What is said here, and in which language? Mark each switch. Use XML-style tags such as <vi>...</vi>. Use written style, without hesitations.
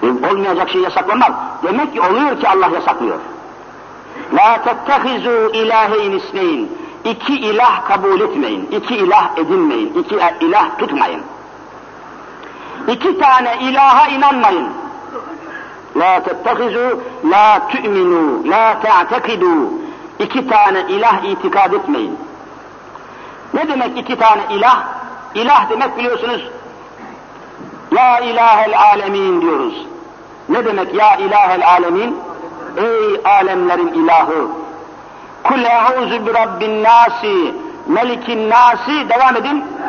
<tr>Olmayacak şey yasaklamak. Demek ki oluyor ki Allah yasaklıyor.</tr> <ar>لَا تَتَّخِذُوا اِلَٰهَيْنِ اِسْنَيْنِ</ar> <tr>İki ilah kabul etmeyin. İki ilah edinmeyin. İki ilah tutmayın. İki tane ilaha inanmayın.</tr> <ar>لَا تَتَّخِذُوا لَا تُؤْمِنُوا لَا تَعْتَقِدُوا</ar> <tr>İki tane ilah itikad etmeyin. Ne demek iki tane ilah? İlah demek biliyorsunuz</tr> <ar>Ya ilahel alemin</ar> <tr>diyoruz. Ne demek</tr> <ar>ya ilahel alemin?</ar> <tr>Ey alemlerin ilahı.</tr> <ar>Kul euzu bi rabbin nasi, melikin nasi,</ar> <tr>devam edin.</tr>